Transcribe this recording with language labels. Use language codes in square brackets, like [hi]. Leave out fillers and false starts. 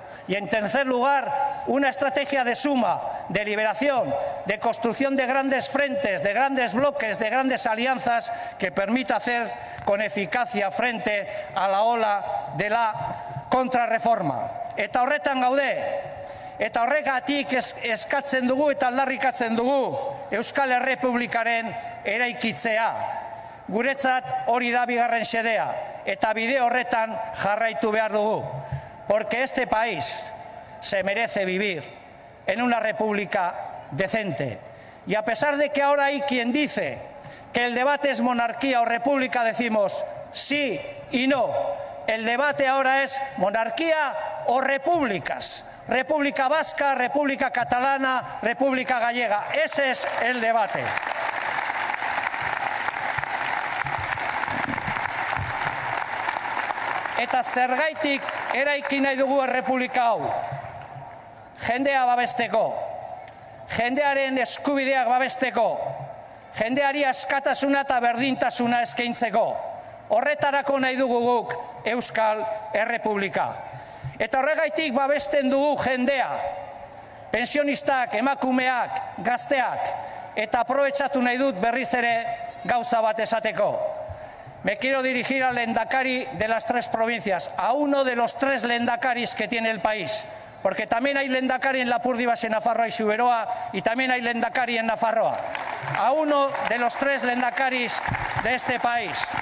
[es] Y en tercer lugar, una estrategia de suma, de liberación, de construcción de grandes frentes, de grandes bloques, de grandes alianzas que permita hacer con eficacia frente a la ola de la contrarreforma. [eu] Eta horretan gaude. Eta horregatik eskatzen dugu eta aldarrikatzen dugu Euskal Errepublikaren eraikitzea. Guretzat hori da bigarren xedea eta bide horretan jarraitu behar dugu. [es] Porque este país se merece vivir en una república decente. Y a pesar de que ahora hay quien dice que el debate es monarquía o república, decimos sí y no. El debate ahora es monarquía o repúblicas. República vasca, república catalana, república gallega. Ese es el debate. [eu] Eta zergaitik eraiki nahi dugu errepublika hau. Jendea babesteko. Jendearen eskubideak babesteko. Jendeari askatasuna eta berdintasuna eskaintzeko. Horretarako nahi dugu guk Euskal Errepublika. Eta horregaitik babesten dugu jendea. Pensionistak, emakumeak, gazteak. Eta aprobetxatu nahi dut berriz ere gauza bat esateko. [es] Me quiero dirigir al lehendakari de las tres provincias, a uno de los tres lehendakaris que tiene el país. Porque también hay lehendakari en Lapurdi, Baxe Nafarroa y Xuberoa, y también hay lehendakari en Nafarroa. A uno de los tres lehendakaris de este país.